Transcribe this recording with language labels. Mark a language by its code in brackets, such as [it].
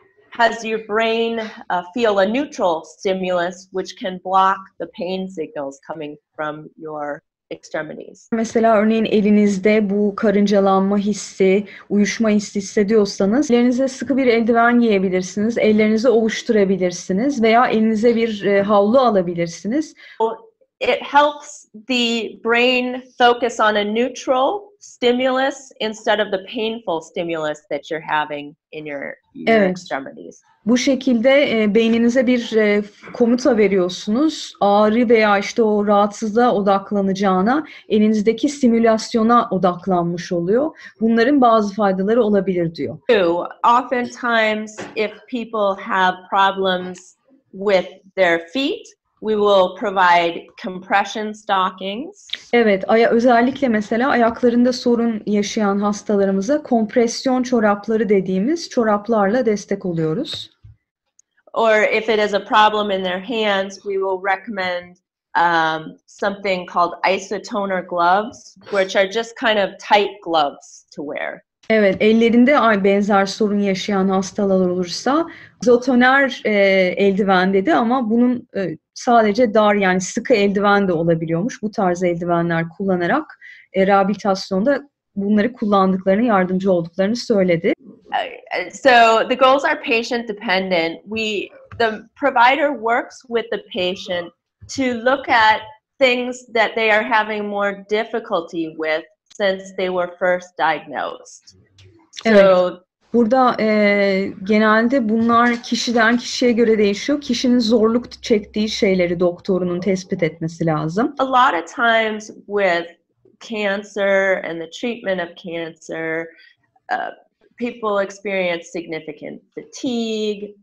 [en] has your brain feel a neutral stimulus, which can block the pain signals coming from your extremities. [tr] Mesela örneğin elinizde bu karıncalanma hissi, uyuşma hissi hissediyorsanız ellerinize sıkı bir eldiven giyebilirsiniz, ellerinizi ovuşturabilirsiniz veya elinize bir havlu alabilirsiniz. [en] It helps the brain focus on a neutral stimulus instead of the painful stimulus that you're having in your [tr] evet. [en] extremities. [tr] Bu şekilde beyninize bir komuta veriyorsunuz. Ağrı veya işte o rahatsızlığa odaklanacağına, elinizdeki simülasyona odaklanmış oluyor. Bunların bazı faydaları olabilir diyor. [en] Oftentimes if people have problems with their feet, we will provide compression stockings. [tr] Evet, özellikle mesela ayaklarında sorun yaşayan hastalarımıza kompresyon çorapları dediğimiz çoraplarla destek oluyoruz. [en] Or if it is a problem in their hands, we will recommend something called isotoner gloves, which are just kind of tight gloves to wear. [tr] Evet, ellerinde benzer sorun yaşayan hastalar olursa izotoner eldiven dedi ama bunun sadece dar yani sıkı eldiven de olabiliyormuş. Bu tarz eldivenler kullanarak rehabilitasyonda bunları kullandıklarını, yardımcı olduklarını söyledi. [en] So the goals are patient dependent. The provider works with the patient to look at things that they are having more difficulty with since they were first diagnosed. [tr] Evet. Burada genelde bunlar kişiden kişiye göre değişiyor. Kişinin zorluk çektiği şeyleri doktorunun tespit etmesi lazım. [en] A lot of times with cancer and the treatment of cancer, people experience significant fatigue.